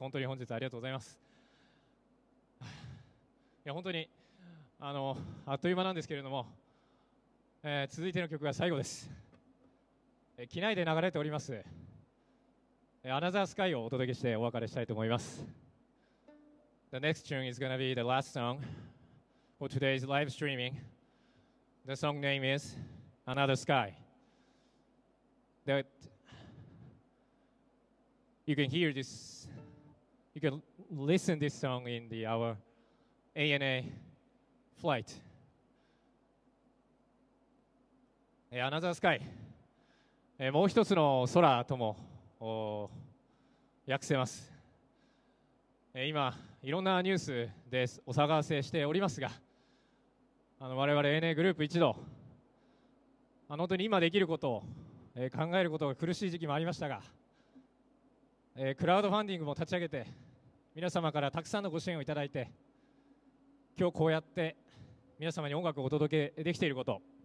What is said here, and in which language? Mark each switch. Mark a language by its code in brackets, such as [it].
[ja] 本当に本日ありがとうございます。いや本当にあのあっという間なんですけれども、続いての曲が最後です。機内で流れておりますアナザースカイをお届けしてお別れしたいと思います。 [en] The next tune is gonna be the last song for today's live streaming. The song name is Another Sky. You can hear this, you can listen this song in the our ANA flight. Another Sky. [ja] もう一つの空とも訳せます。今いろんなニュースでお騒がせしておりますが、あの我々 ANA グループ一同、あの本当に今できることを考えることが苦しい時期もありましたが、クラウドファンディングも立ち上げて皆様からたくさんのご支援をいただいて、今日こうやって皆様に音楽をお届けできていること、